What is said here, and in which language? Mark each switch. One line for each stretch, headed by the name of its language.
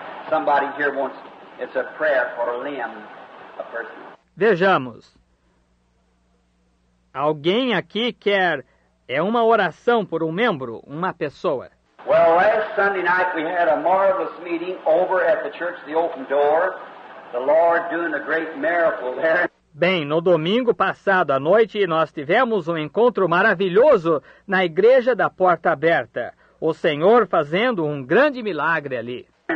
English: Somebody here wants, it's a prayer for a limb, a person.
Portuguese: Vejamos. Alguém aqui quer, é uma oração por um membro, uma pessoa.
English: Well, last Sunday night we had a marvelous meeting over at the church, the open door. The Lord doing a great miracle there.
Portuguese: Bem, no domingo passado à noite, nós tivemos um encontro maravilhoso na igreja da Porta Aberta. O Senhor fazendo um grande milagre ali.